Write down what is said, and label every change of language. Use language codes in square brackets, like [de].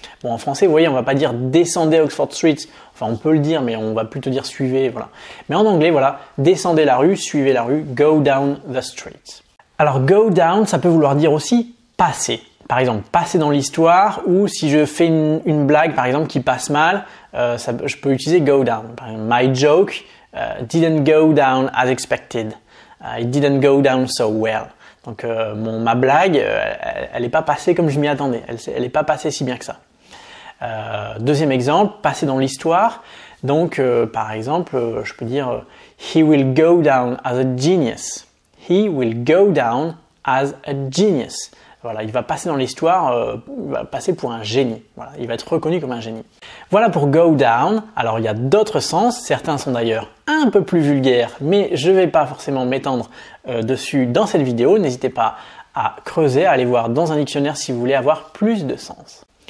[fr] Bon, en français, vous voyez, on ne va pas dire descendez Oxford Street. Enfin, on peut le dire, mais on va plutôt dire suivez. Voilà. Mais en anglais, voilà, descendez la rue, suivez la rue, [en] go down the street. [fr] Alors, go down, ça peut vouloir dire aussi passer. Par exemple, passer dans l'histoire ou si je fais une blague, par exemple, qui passe mal, je peux utiliser go down. Par exemple, [en] my joke didn't go down as expected. It didn't go down so well. [fr] Donc, ma blague, elle n'est pas passée comme je m'y attendais. Elle n'est pas passée si bien que ça. Deuxième exemple, passer dans l'histoire. Donc, par exemple, je peux dire [en] he will go down as a genius. He will go down as a genius. [fr] Voilà, il va passer dans l'histoire, il va passer pour un génie. Voilà, il va être reconnu comme un génie. Voilà pour go down. Alors, il y a d'autres sens. Certains sont d'ailleurs un peu plus vulgaires, mais je ne vais pas forcément m'étendre dessus dans cette vidéo. N'hésitez pas à creuser, à aller voir dans un dictionnaire si vous voulez avoir plus de sens.